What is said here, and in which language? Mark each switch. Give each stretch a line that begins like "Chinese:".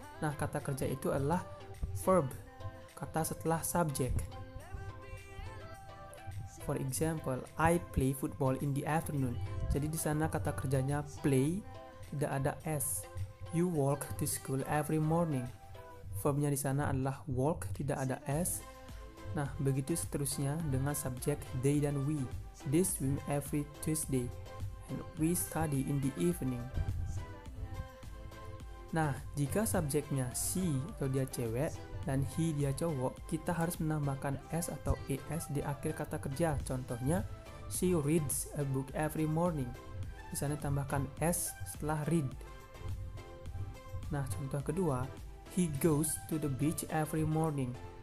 Indonesian: Nah, kata kerja itu adalah verb, kata setelah subject.
English: For example, I play football in the afternoon.
Indonesian: Jadi di sana kata kerjanya play, tidak ada s.
English: You walk to school every morning.
Indonesian: Verbnya di sana adalah walk, tidak ada s. Nah, begitu seterusnya dengan subject they dan we.
English: They swim every Tuesday and we study in the evening.
Indonesian: Nah, jika subjeknya she atau dia cewek dan he dia cowok, kita harus menambahkan s atau es di akhir kata kerja.
English: Contohnya, she reads a book every morning.
Indonesian: Di sana tambahkan s setelah read. Nah, contoh kedua,
English: he goes to the beach every morning.